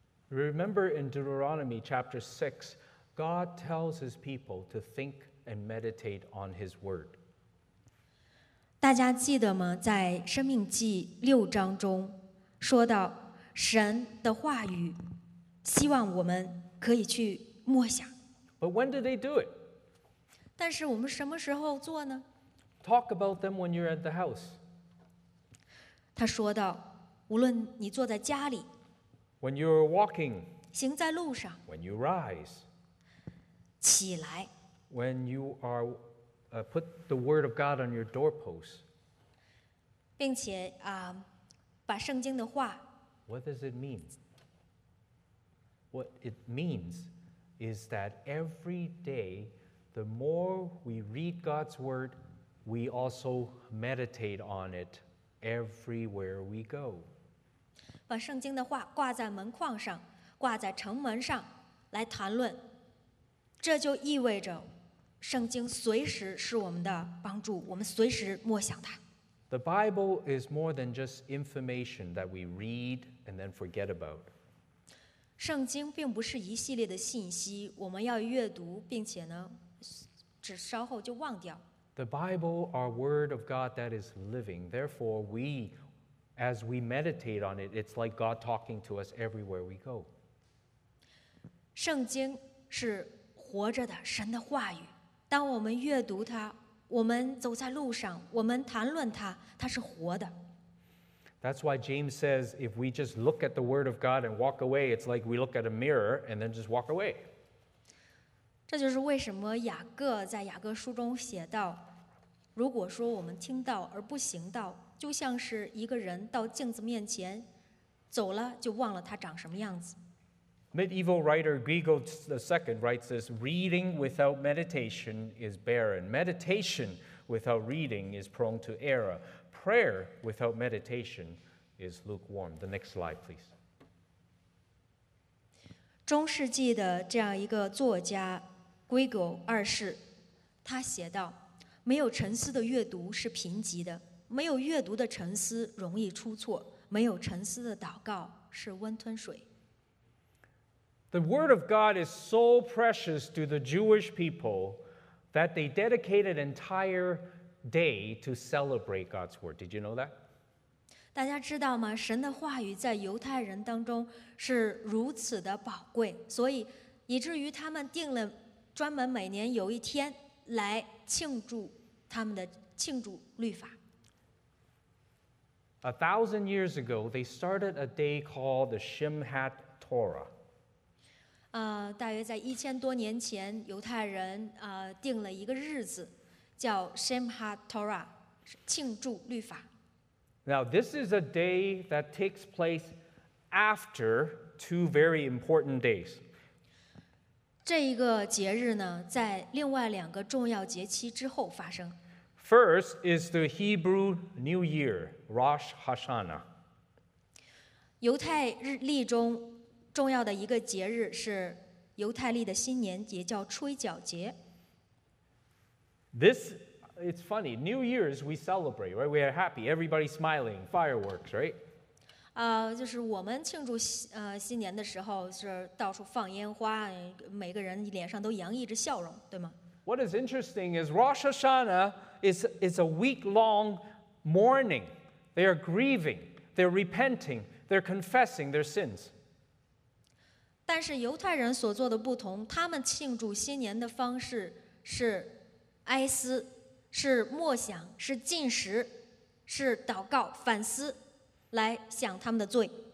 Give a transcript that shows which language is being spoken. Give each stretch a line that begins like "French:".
English: Remember in Deuteronomy chapter 6, God tells his people to think and meditate on his word.
Chinese: 大家记得吗? 在生命记六章中说到神的话语，希望我们可以去默想。
English: But when do they do it?
Chinese: 但是我们什么时候做呢?
English: Talk about them when you're at the house.
Chinese: 他说道, 无论你坐在家里,
English: when you're walking,
Chinese: 行在路上,
English: when you rise,
Chinese: 起来,
English: when you are put the word of God on your doorpost,
Chinese: 并且, 把圣经的话,
English: what does it mean? What it means is that every day, the more we read God's word, we also meditate on it everywhere we go.
Chinese: 把圣经的话挂在门框上，挂在城门上来谈论。这就意味着，圣经随时是我们的帮助，我们随时默想它。
English: The Bible is more than just information that we read and then forget about.
Chinese: 圣经并不是一系列的信息，我们要阅读，并且呢。稍后就忘掉。
English: The Bible, our word of God that is living. Therefore, we, as we meditate on it, it's like God talking to us everywhere we go.
Chinese: 圣经是活着的神的话语。当我们阅读它，我们走在路上，我们谈论它，它是活的。
English: That's why James says, if we just look at the word of God and walk away, it's like we look at a mirror and then just walk away.
Chinese: 这就是为什么雅各在雅各书中写道，如果说我们听道而不行道，就像是一个人到镜子面前，走了就忘了他长什么样子。
English: Medieval writer Grigo II writes this, reading without meditation is barren. Meditation without reading is prone to error. Prayer without meditation is lukewarm. The next slide, please.
Chinese: 中世纪的这样一个作家 Grigo 二世，他写道，没有沉思的阅读是贫瘠的，没有阅读的沉思容易出错，没有沉思的祷告是温吞水。
English: The word of God is so precious to the Jewish people that they dedicated an entire day to celebrate God's word. Did you know that?
Chinese: 大家知道吗？神的话语在犹太人当中是如此的宝贵，所以以至于他们定了专门每年有一天来庆祝他们的庆祝律法。
English: 1,000 years ago, they started a day called the Shemhat Torah.
Chinese: 大约在1,000多年前，犹太人定了一个日子，叫 Shemhat Torah， 庆祝律法。
English: Now this is a day that takes place after two very important days.
Chinese: 这一个节日呢，在另外两个重要节期之后发生。
English: First is the Hebrew New Year, Rosh Hashanah.
Chinese: 犹太日历中。重要的一个节日是犹太历的新年，也叫吹角节。
English: This, it's funny. New Year's we celebrate, right? We are happy. Everybody smiling, fireworks, right?
Chinese: 就是我们庆祝新年的时候是到处放烟花，每个人脸上都洋溢着笑容，对吗
English: ？What is interesting is Rosh Hashanah is a week long mourning. They are grieving. They're repenting. They're confessing their sins.
Chinese: 但是犹太人所做的不同，他们庆祝新年的方式是哀思，是默想，是禁食，是祷告反思，来想他们的罪。